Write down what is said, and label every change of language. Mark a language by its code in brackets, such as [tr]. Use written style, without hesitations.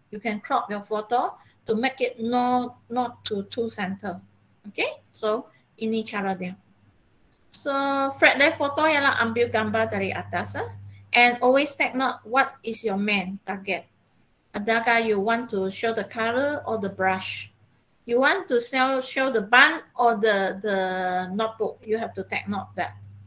[en] You can crop your photo to make it not too center. [ms] Okay, so ini cara dia. So, Fred Lai photo ialah ambil gambar dari atas. Eh? [en] And always take note what is your main target. Adakah you want to show the color or the brush? You want to show the bun or the notebook? You have to take note that.